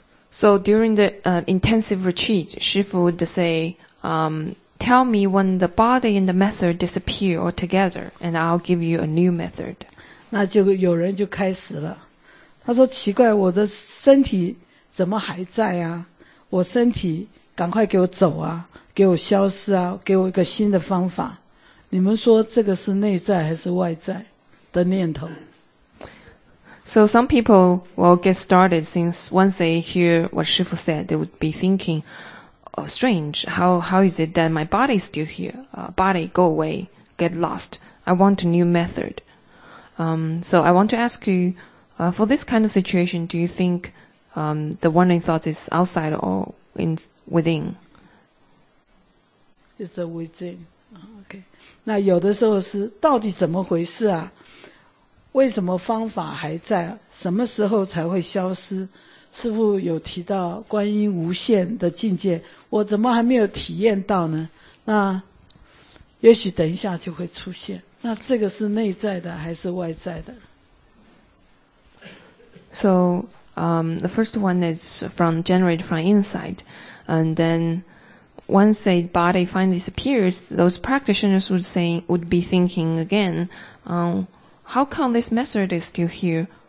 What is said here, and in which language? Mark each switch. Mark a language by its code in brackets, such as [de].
[en] So during the intensive retreat, 师父 would say, tell me when the body and the method disappear or together, and I'll give you a new method. [zh] 那就有人就开始了，他说奇怪，我的身体怎么还在啊？我身体赶快给我走啊，给我消失啊，给我一个新的方法。你们说这个是内在还是外在的念头？ [en] So some people will get started since once they hear what 师父 said, they would be thinking, oh, strange, how is it that my body is still here? Body, go away, get lost. I want a new method. So I want to ask you, for this kind of situation, do you thinkthe wandering thought is outside or within? It's a within. Okay. [zh] 那有的时候是到底怎么回事啊？为什么方法还在？什么时候才会消失？师父有提到观音无限的境界，我怎么还没有体验到呢？那也许等一下就会出现。那这个是内在的还是外在的？ [en] So,the first one is generated from inside. And then once a body finally disappears, those practitioners would be thinking again, how come this method is still here?